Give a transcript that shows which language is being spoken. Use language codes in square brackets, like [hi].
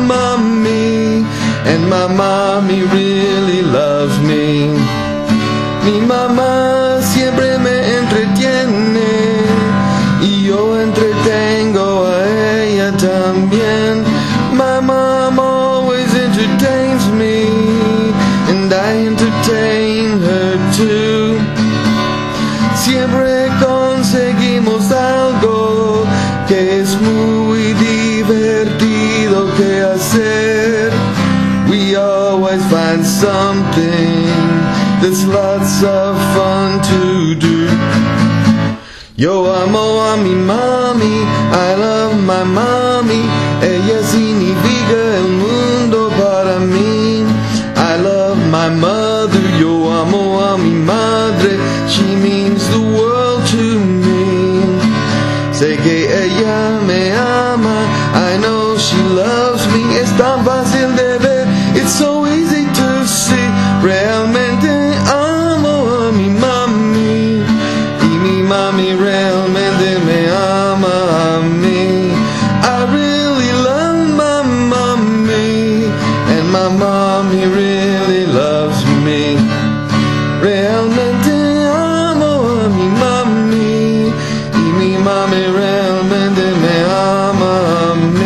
[en] My mommy really loves me. [es] Mi mamá siempre me entretiene, y yo entretengo a ella también. [en] My mom always entertains me, and I entertain her too. [es] Siempre conseguimos algo que es muy divertido que hacer. [en] Always find something that's lots of fun to do. [es] Yo amo a mi mami, [en] I love my mommy. [es] Ella significa el mundo para mí. [en] I love my mother, [es] yo amo a mi madre. [en] She means the world to me. [es] Sé que ella me ama, [en] I know she loves me. [es] Es tan fácil de ver, [en] it's so easy to see. [es] Realmente amo a mi mami, y mi mami realmente me ama a mí. [en] I really love my mami, and my mami really loves me. [es] Realmente amo a mi mami, y mi mami realmente me ama a mí.